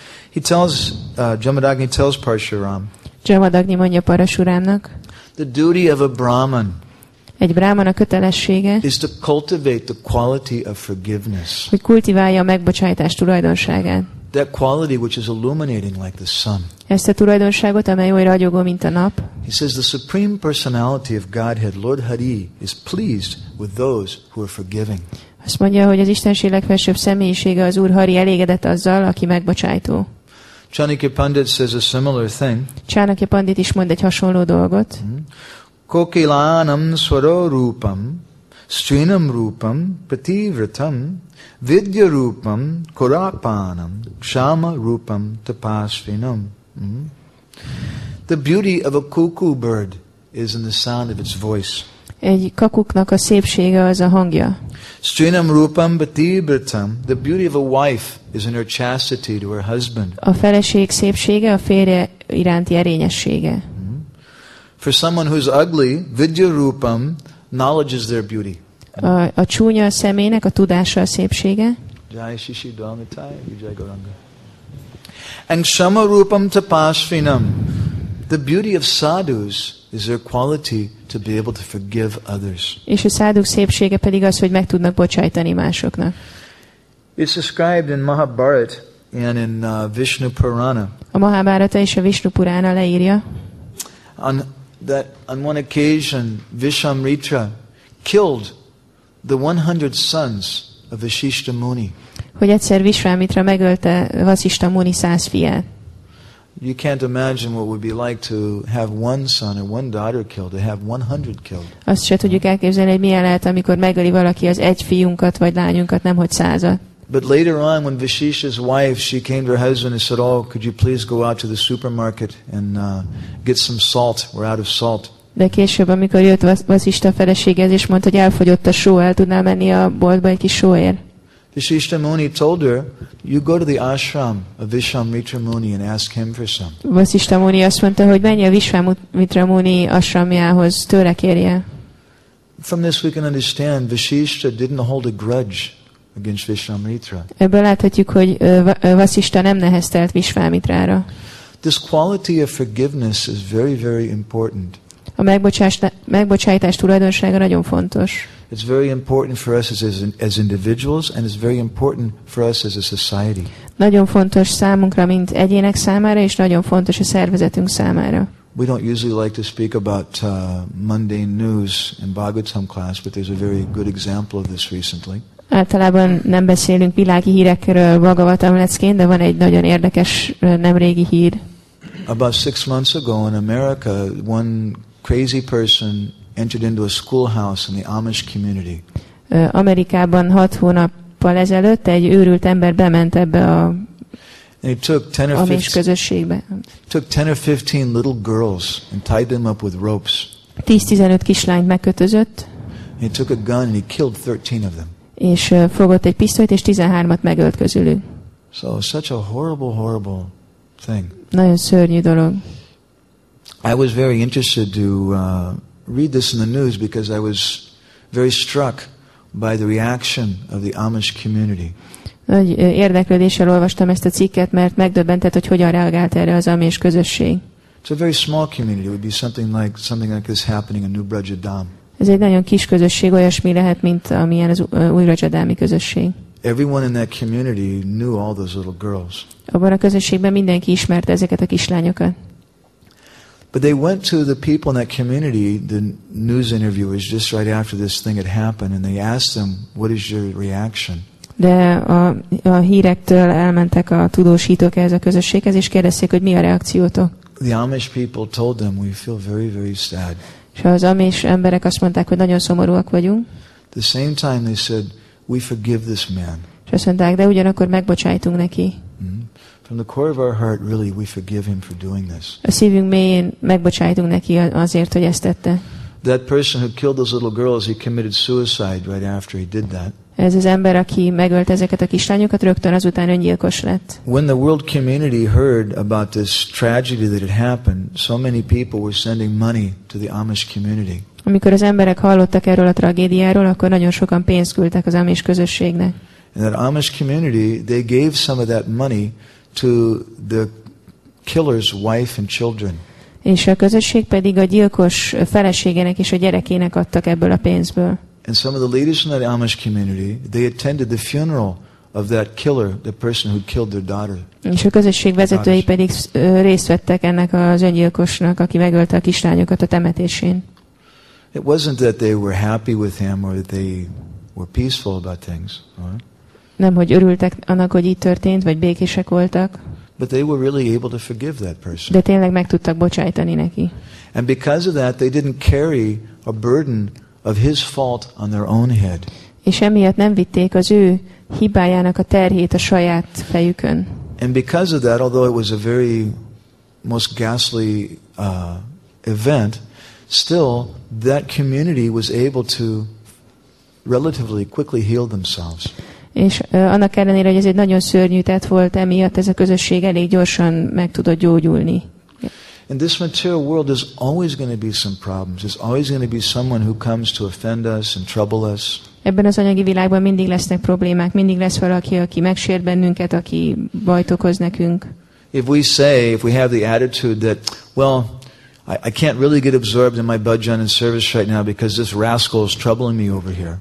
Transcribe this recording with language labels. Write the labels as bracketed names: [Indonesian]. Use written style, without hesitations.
[English] He tells Jamadagni tells Parashuram. [Hungarian] Jamadagni mondja Parashuramnak. [English] The duty of a brahman. [Hungarian] Egy brahmana kötelessége. [English] Is to cultivate the quality of forgiveness. [Hungarian] Hogy kultiválja a megbocsájtás tulajdonságát. [English] That quality which is illuminating like the sun. [Hungarian] Ezt a tulajdonságot, amely olyan ragyogó, mint a nap. [English] He says the supreme personality of Godhead, Lord Hari, is pleased with those who are forgiving. [Hungarian] Azt mondja, hogy az Istenség legfelsőbb személyisége, az Úr Hari elégedett azzal, aki megbocsájtó. [English] Chanakya Pandit says a similar thing. [Hungarian] Chanakya Pandit is mond egy hasonló dolgot. [Sanskrit] Kokilanam swaro rupam, strinam rupam, prativratam, vidya rupam, korapanam, kshama rupam, tapasvinam. [English] The beauty of a cuckoo bird is in the sound of its voice. [Hungarian] Egy kakuknak a szépsége az a hangja. [Sanskrit] Strinam rupam patibratam. [English] The beauty of a wife is in her chastity to her husband. [Hungarian] A feleség szépsége a férje iránti erényessége. [English] For someone who's ugly, [Sanskrit] vidya rupam, [English] knowledge is their beauty. [Hungarian] A csúnya személynek a tudása a szépsége. [Sanskrit] Jai Shishi Dalmitai, Vijay Gauranga. And kshama rupam tapasvinam. [English] The beauty of sadhus is their quality to be able to forgive others. [Hungarian] És a sadhuk szépsége pedig az, hogy meg tudnak bocsájtani másoknak. [English] It's described in Mahabharata and in Vishnu Purana. [Hungarian] A Mahabharata és a Vishnu Purana leírja. [English] On one occasion, Vishvamitra killed the 100 sons of Vasishtha Muni. [Hungarian] Hogy egyszer Vishvamitra megölte Vasishtha Muni 100 fiát. [English] You can't imagine what it would be like to have one son or one daughter killed, to have 100 killed. [Hungarian] Azt se tudjuk elképzelni, hogy milyen lehet, amikor megöli valaki az egy fiunkat vagy lányunkat, nemhogy százat. [English] But later on, when Vishisha's wife, she came to her husband and said, oh, could you please go out to the supermarket and get some salt? We're out of salt. [Hungarian] De később, amikor jött Vasishtha feleségehez, és mondta, hogy elfogyott a só, el tudnál menni a boltba egy kis sóért. [English] Vasishtha Muni told her, you go to the ashram of Vishvamitra Muni and ask him for some. [Hungarian] Vasishtha Muni azt mondta, hogy menj a Vishvamitra Muni ashramjához, tőle kérje. [English] From this we can understand, Vasishtha didn't hold a grudge against Vishvamitra. [Hungarian] Ebből láthatjuk, hogy Vasishtha nem neheztelt Vishvamitrára. [English] This quality of forgiveness is very, very important. [Hungarian] A megbocsátás tulajdonsága nagyon fontos. [English] It's very important for us as individuals, and it's very important for us as a society. [Hungarian] Nagyon fontos számunkra, mint egyének számára, és nagyon fontos a szervezetünk számára. [English] We don't usually like to speak about mundane news in Bhagavatam class, but there's a very good example of this recently. [Hungarian] Általában nem beszélünk világi hírekről Bhagavatam leckén, de van egy nagyon érdekes nemrégi hír. [English] About 6 months ago in America, one crazy person entered into a schoolhouse in the Amish community. [Hungarian] Amerikában 6 hónappal ezelőtt egy őrült ember bement ebbe a amis közösségbe. [English] Took 10 or 15 little girls and tied them up with ropes. [Hungarian] 10-15 kislányt megkötözött. [English] He took a gun and he killed 13 of them. [Hungarian] És fogott egy pisztolyt és 13-at megölt közülük. [English] So such a horrible, horrible thing. [Hungarian] Nagyon szörnyű dolog. [English] I was very interested to read this in the news because I was very struck by the reaction of the Amish community. [Hungarian] Nagy érdeklődéssel olvastam ezt a cikket, mert megdöbbentett, hogy hogyan reagált erre az Amish közösség. [English] It's a very small community. It would be something like this happening in New Brajadam. [Hungarian] Ez egy nagyon kis közösség, olyasmi lehet, mint amilyen az új Rajadámi közösség. [English] Everyone in that community knew all those little girls. [Hungarian] Abban a közösségben mindenki ismerte ezeket a kislányokat. [English] But they went to the people in that community, the news interviewers, just right after this thing had happened, and they asked them, "What is your reaction?" [Hungarian] De a hírektől elmentek a tudósítók ehhez a közösséghez, és kérdezték, hogy mi a reakciótok. [English] The Amish people told them, "We feel very, very sad." [Hungarian] És az Amish emberek azt mondták, hogy nagyon szomorúak vagyunk. [English] The same time they said, "We forgive this man." [Hungarian] És azt mondták, de ugyanakkor megbocsájtunk neki. [English] From the core of our heart, really, we forgive him for doing this. [Hungarian] A szívünk mélyén megbocsájtunk neki azért, hogy ezt tette. [English] That person who killed those little girls, he committed suicide right after he did that. [Hungarian] Ez az ember, aki megölt ezeket a kislányokat, rögtön azután öngyilkos lett. [English] When the world community heard about this tragedy that had happened, so many people were sending money to the Amish community. [Hungarian] Amikor az emberek hallottak erről a tragédiáról, akkor nagyon sokan pénzt küldtek az Amish közösségnek. [English] And that Amish community, they gave some of that money to the killer's wife and children. [Hungarian] És a közösség pedig a gyilkos feleségének és a gyerekének adtak ebből a pénzből. [English] And some of the leaders in the Amish community, they attended the funeral of that killer, the person who killed their daughter. [Hungarian] És a közösség vezetői pedig részt vettek ennek az öngyilkosnak, aki megölte a kislányokat a temetésén. [English] It wasn't that they were happy with him or that they were peaceful about things, right? [Hungarian] Nem, hogy örültek annak, hogy így történt, vagy békések voltak. [English] But they were really able to forgive that person. [Hungarian] De tényleg meg tudtak bocsájtani neki. [English] And because of that, they didn't carry a burden of his fault on their own head. [Hungarian] És emiatt nem vitték az ő hibájának a terhét a saját fejükön. [English] And because of that, although it was a very most ghastly event, still that community was able to relatively quickly heal themselves. [Hungarian] És annak ellenére, hogy ez egy nagyon szörnyű tett volt, emiatt ez a közösség elég gyorsan meg tudott gyógyulni. [English] In this material world, there's always going to be some problems. There's always going to be someone who comes to offend us and trouble us. [Hungarian] Ebben az anyagi világban mindig lesznek problémák, mindig lesz valaki, aki megsért bennünket, aki bajt okoz nekünk. [English] If we say, if we have the attitude that, well, I can't really get absorbed in my bhajan and service right now because this rascal is troubling me over here.